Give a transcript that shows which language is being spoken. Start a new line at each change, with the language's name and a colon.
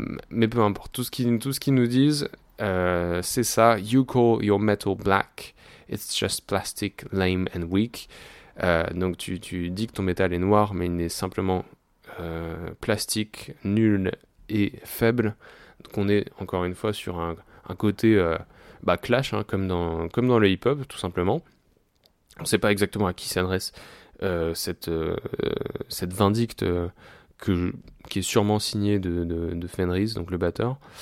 French: Mais peu importe, tout ce qu'ils nous disent, c'est ça.
English: You call your metal black, it's just plastic, lame and weak.
French: Donc tu dis que ton métal est noir, mais il est simplement plastique, nul et faible. Donc on est encore une fois sur un côté clash, hein, comme dans le hip-hop, tout simplement. On ne sait pas exactement à qui s'adresse cette vindicte qui est sûrement signée de Fenriz, donc le batteur.